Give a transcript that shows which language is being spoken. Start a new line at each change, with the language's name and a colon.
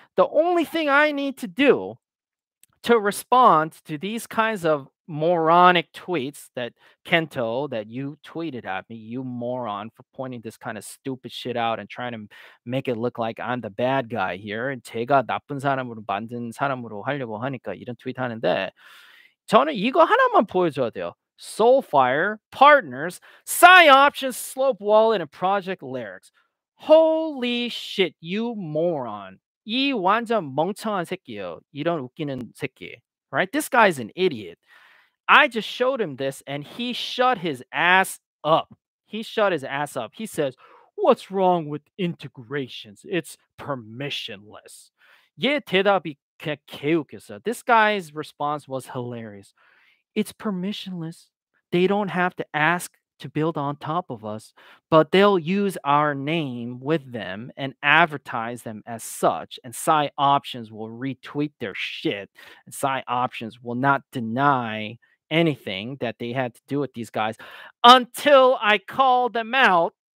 English: The only thing I need to do to respond to these kinds of moronic tweets that Kento, that you tweeted at me, you moron, for pointing this kind of stupid shit out and trying to make it look like I'm the bad guy here.
Korean: 제가 나쁜 사람으로 만든 사람으로 하려고 하니까 이런 트윗 하는데 저는 이거 하나만 보여줘야 돼요.
English: Soulfire partners, Psy Options, Slope Wallet, and Project Larynx. Holy shit, you moron. 이 완전 멍청한 새끼요. 이런 웃기는 새끼. Right? This guy is an idiot. I just showed him this and he shut his ass up. He shut his ass up. He says, "What's wrong with integrations? It's permissionless."
Korean: 얘 대답이 그냥 개웃겼어.
English: This guy's response was hilarious. It's permissionless. They don't have to ask to build on top of us, but they'll use our name with them and advertise them as such, and Psy Options will retweet their shit, and Psy Options will not deny anything that they had to do with these guys until I call them out.